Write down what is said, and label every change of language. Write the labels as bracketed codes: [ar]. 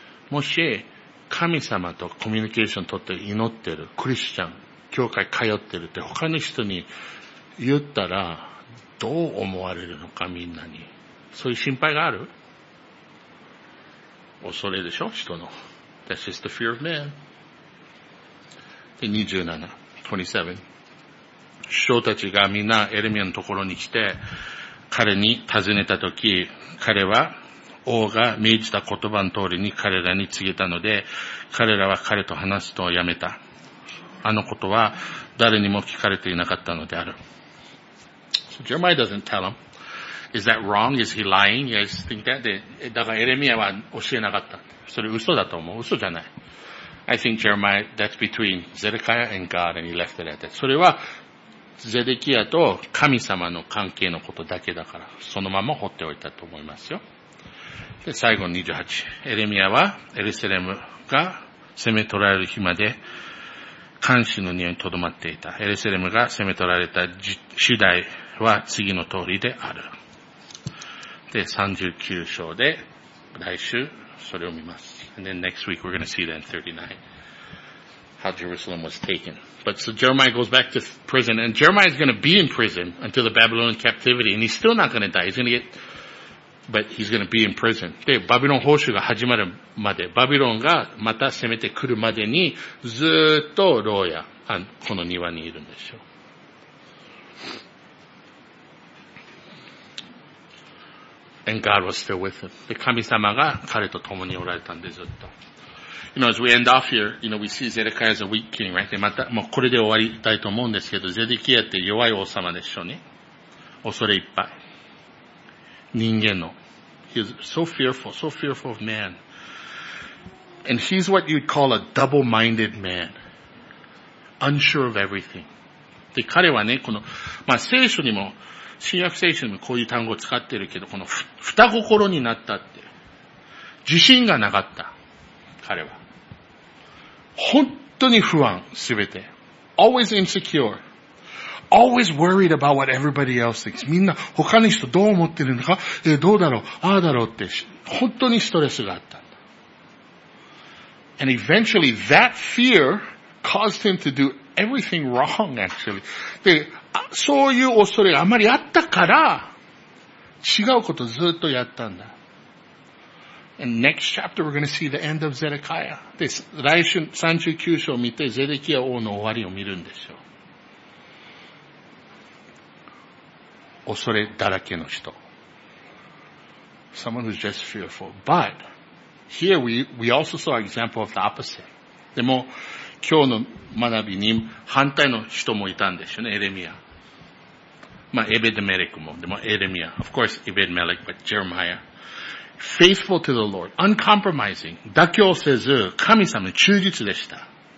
[ja] もし、神様とコミュニケーションを取って祈ってる、クリスチャン、教会通ってるって他の人に言ったらどう思われるのかみんなに。そういう心配がある? 恐れでしょ?人の。 [en] That's just the fear of man. [ja] で、27。首相たちがみんなエレミアのところに来て彼に尋ねたとき、彼は王が命じた言葉の通りに彼らに告げたので、彼らは彼と話すのをやめた。あのことは誰にも聞かれていなかったのである。 [en] So Jeremiah doesn't tell him. Is that wrong? Is he lying? Yes, think that. [ja] で、だからエレミアは教えなかった。それ嘘だと思う。嘘じゃない。 [en] I think Jeremiah, that's between Zedekiah and God, and he left it at that. [ja] それは、ゼデキアと神様の関係のことだけだから、そのまま放っておいたと思いますよ。で最後28。エレミアはエルサレムが攻め取られる日まで監視の匂いにとどまっていた。エルサレムが攻め取られた主題は次の通りである。で、39章で来週それを見ます。 [en] And then next week we're going to see that in 39. How Jerusalem was taken. But so Jeremiah goes back to prison and Jeremiah is going to be in prison until the Babylonian captivity and he's still not going to die. He's going to get... But he's going to be in prison. [ja] で、バビロン報酬が始まるまで、バビロンがまた攻めてくるまでに、ずっと牢屋、この庭にいるんでしょう。 [en] And God was still with him. [ja] で、神様が彼と共におられたんで、ずっと。 [en] you know, as we end off here, you know, we see Zedekiah as a weak king, right? [ja] で、また、もうこれで終わりたいと思うんですけど、ゼデキヤって弱い王様でしょうね。恐れいっぱい。人間の。 [en] He is so fearful of man. And he's what you'd call a double-minded man. Unsure of everything. [ja] で、彼はね、この、まあ、聖書にも、新約聖書にもこういう単語を使ってるけど、この、二心になったって。自信がなかった。彼は。本当に不安、すべて。 [en] Always insecure. Always worried about what everybody else thinks. [ja] みんな他の人どう思ってるのか、どうだろう、ああだろうって、本当にストレスがあった。 [en] And eventually that fear caused him to do everything wrong, actually. [ja] で、そういう恐れがあまりあったから、違うことずっとやったんだ。 [en] And next chapter, we're going to see the end of Zedekiah. [ja] で、来週39章を見て、ゼデキヤ王の終わりを見るんですよ。恐れだらけの人。 [en] Someone who's just fearful. But, here we also saw an example of the opposite. [ja] でも、今日の学びに反対の人もいたんですよね、エレミア。まあ、エベデメレクも。でも、エレミア。 [en] Of course, [ja] エベデメレク、 [en] but Jeremiah. Faithful to the Lord, uncompromising, [ja] 妥協せず、神様に忠実でした。